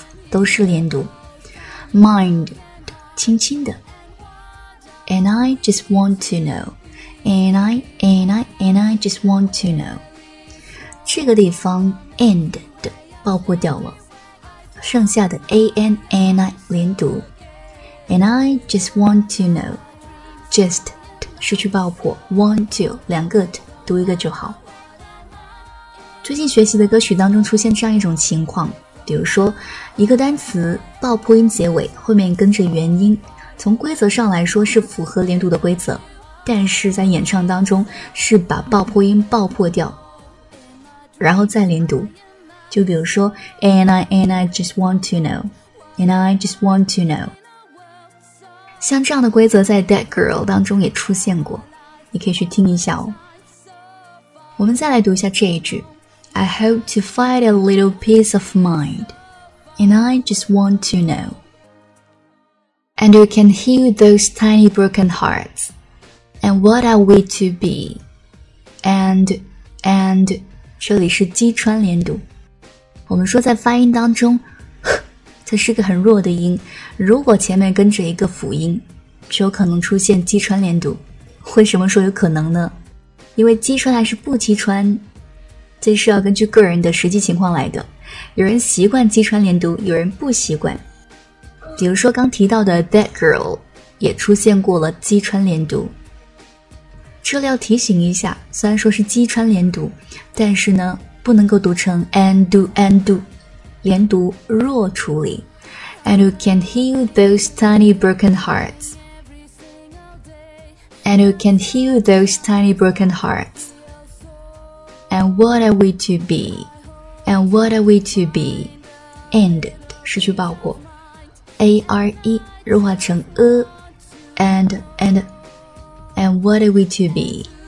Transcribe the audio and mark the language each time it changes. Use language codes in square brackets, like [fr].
[zh] 都是连读 [en] mind [zh] 轻轻的 [en] and I just want to knowAnd I just want to know. [zh] 这个地方 and 的爆破掉了，剩下的 and I 连读。 [en] And I just want to know. Just [zh] 失去爆破 [en] ，want to [zh] 两个 t 读一个就好。最近学习的歌曲当中出现这样一种情况，比如说一个单词爆破音结尾，后面跟着元音，从规则上来说是符合连读的规则。但是在演唱当中是把爆破音爆破掉然后再连读，就比如说 [en] And I just want to know [zh] And I just want to know 像这样的规则在 Dead Girl 当中也出现过，你可以去听一下哦。我们再来读一下这一句， [en] I hope to find a little peace of mind And I just want to know And you can heal those tiny broken heartsAnd what are we to be? [zh] And 这里是击穿连读。我们说在发音当中，它是个很弱的音，如果前面跟着一个辅音，就有可能出现击穿连读。为什么说有可能呢？因为击穿还是不击穿，这是要根据个人的实际情况来的。有人习惯击穿连读，有人不习惯。比如说刚提到的 that girl 也出现过了击穿连读。这里要提醒一下，虽然说是击穿连读，但是呢不能够读成 andu andu， 连读弱处理。 [en] And who can heal those tiny broken hearts? And who can heal those tiny broken hearts? And what are we to be? And what are we to be? And [zh] 失去爆破 [en] ，are [zh] 弱化成 [en] a and what are we to be?